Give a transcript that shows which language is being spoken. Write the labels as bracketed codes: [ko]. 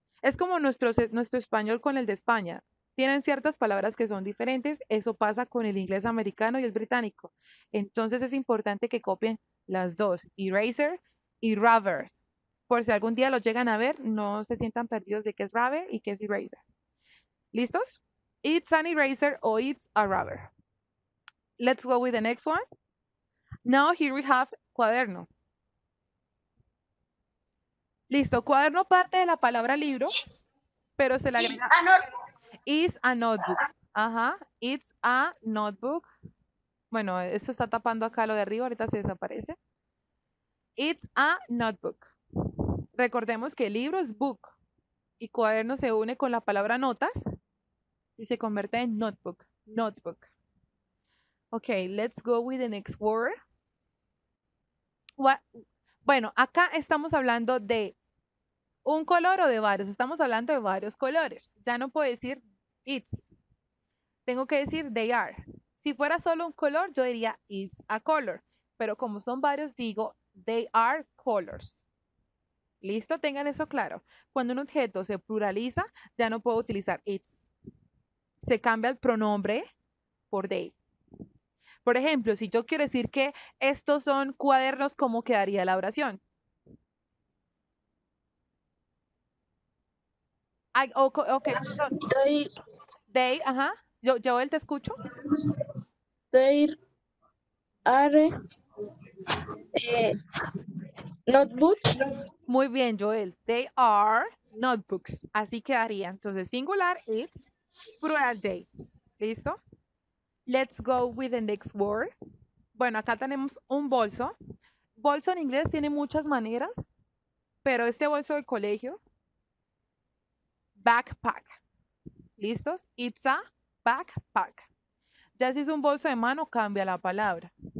[es] Es como nuestro español con el de España. Tienen ciertas palabras que son diferentes. Eso pasa con el inglés americano y el británico. Entonces, es importante que copien las dos, eraser y rubber. Por si algún día lo llegan a ver, no se sientan perdidos de qué es rubber y qué es eraser. ¿Listos? [en] It's an eraser o it's a rubber. Let's go with the next one. Now here we have cuaderno. [es] Listo, cuaderno parte de la palabra libro, pero se le agrega. [en] It's a notebook. Is a notebook. Ajá, it's a notebook. [es] Bueno, esto está tapando acá lo de arriba, ahorita se desaparece. [en] It's a notebook. [es] Recordemos que el libro es book y cuaderno se une con la palabra notas y se convierte en notebook. [en] Notebook. Ok, let's go with the next word. [es] Bueno, acá estamos hablando de un color o de varios. Estamos hablando de varios colores. Ya no puedo decir it's. Tengo que decir they are. Si fuera solo un color, yo diría [en] it's a color. [es] Pero como son varios, digo [en] they are colors. [es] ¿Listo? Tengan eso claro. Cuando un objeto se pluraliza, ya no puedo utilizar it's. Se cambia el pronombre por they. Por ejemplo, si yo quiero decir que estos son cuadernos, ¿cómo quedaría la oración? Ay, okay, okay. [en] They, [es] ajá. Yo él te escucho. [en] They are notebooks. [es] Muy bien, Joel. [en] They are notebooks. [es] Así quedaría. Entonces, singular, it's, plural, they. ¿Listo? [en] Let's go with the next word. [es] Bueno, acá tenemos un bolso. Bolso en inglés tiene muchas maneras, pero este bolso del colegio, backpack. ¿Listos? [en] It's a backpack. [es] Ya si es un bolso de mano, cambia la palabra.